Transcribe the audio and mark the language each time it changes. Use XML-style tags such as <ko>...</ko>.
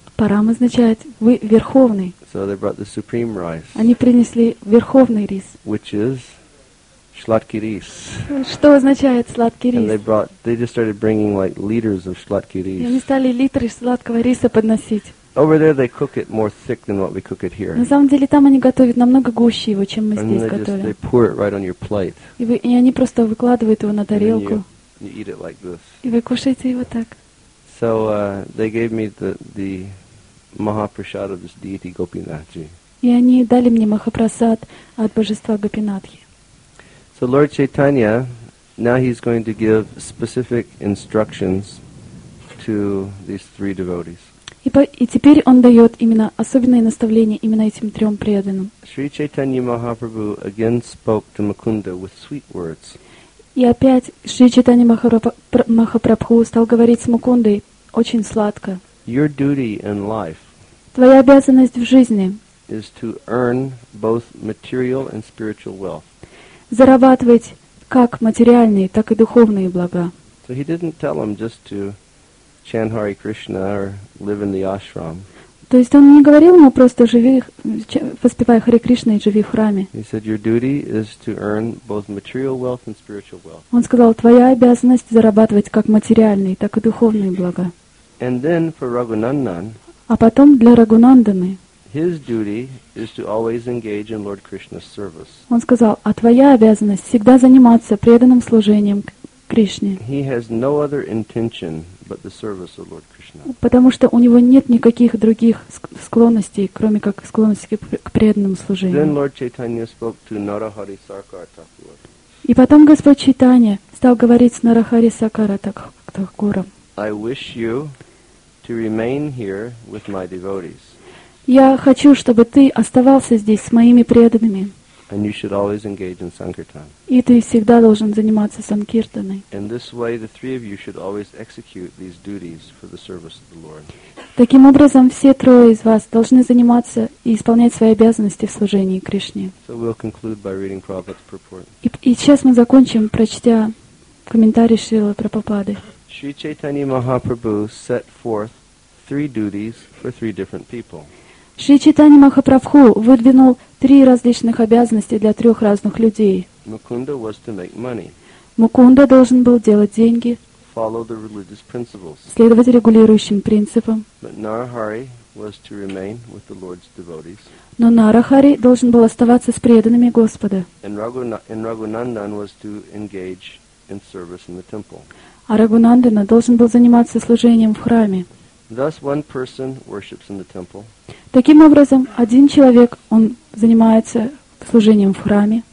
<ru>Парам означает вы верховный.</ru> <en>So they brought the supreme rice.</en> <ru>Они принесли верховный рис.</ru> <en>Which is</en> <ru>шладкий рис. Что означает сладкий рис?</ru> <en>And they just started bringing like liters of</en> <ru>шладкий рис. И они стали литры сладкого риса подносить.</ru> <en>Over there they cook it more thick than what we cook it here.</en> <ru>На самом деле там они готовят намного гуще его, чем мы</ru> <en>and</en> <ru>здесь готовим.</ru> <en>They pour it right on your plate.</en> <ru>И они просто выкладывают его на тарелку.</ru> <en>You eat it like this.</en> <ru>И вы кушаете его так.</ru> <en>So they gave me the Mahaprasad of this deity Gopinathji.</en> <ru>И они дали мне Махапрасад от божества Гопинатхи.</ru> <en>So Lord Chaitanya, now he's going to give specific instructions to these three devotees.</en> <ru>И теперь он дает именно особенные наставления именно этим трем преданным.</ru> <en>Sri Chaitanya Mahaprabhu again spoke to Mukunda with sweet words.</en> <ru>И опять Шри Чайтанья Махапрабху стал говорить с Мукундой очень сладко.</ru> <en>Your duty in life.</en> <ru>Твоя обязанность в жизни.</ru> <en>is to earn both material and spiritual wealth.</en> <ru>Зарабатывать как материальные, так и духовные блага.</ru> <en>So he didn't tell him just to chant Hare Krishna or live in the ashram.</en> <ru>То есть он не говорил ему просто живи, воспевай Харе Кришна и живи в храме.</ru> <en>He said your duty is to earn both material wealth and spiritual wealth.</en> <ru>Он сказал, твоя обязанность зарабатывать как материальные, так и духовные блага.</ru> <en>And then for Raghunandan.</en> <ru>А потом для Рагунанданы.</ru> <en>His duty is to always engage in Lord Krishna's service.</en> <ru>Он сказал, а твоя обязанность всегда заниматься преданным служением Кришне.</ru> <en>He has no other intention but the service of Lord Krishna.</en> <ru>Потому что у него нет никаких других склонностей, кроме как склонности к преданному служению.</ru> <en>Then Lord Chaitanya spoke to Narahari Sarkar Thakur.</en> <ru>И потом Господь Чайтанья стал говорить с Нарахари Саркара Такуром.</ru> <en>I wish you to remain here with my devotees.</en> <ru>Я хочу, чтобы ты оставался здесь с моими преданными.</ru> <en>And you should always engage in sankirtan.</en> <ru>И ты всегда должен заниматься санкиртаной.</ru> <en>In this way, the three of you should always execute these duties for the service of the Lord.</en> <ru>Таким образом, все трое из вас должны заниматься и исполнять свои обязанности в служении Кришне.</ru> <en>So we'll conclude by reading Prabhupada's purport.</en> <ru>И сейчас мы закончим, прочтя комментарий Шрилы Прабхупады.</ru> <en>Шри Чайтанья Махапрабху set forth three duties for three different people.</en> <ru>Шри Чайтанья Махапрабху выдвинул три различных обязанности для трех разных людей.</ru> <en>Мукунда was to make money.</en> <ru>Мукунда должен был делать деньги.</ru> <en>Follow the religious principles.</en> <ru>Следовать регулирующим принципам.</ru> <en>But Narahari was to remain with the Lord's devotees.</en> <ru>Но Нарахари должен был оставаться с преданными Господа.</ru> <en>And Рагунандан was to engage in service in the temple.</en> <ru>А Рагунандана должен был заниматься служением в храме.</ru> <en>Thus one person worships in the temple.</en> <ru>Таким образом, один человек, он занимается служением в храме.</ru>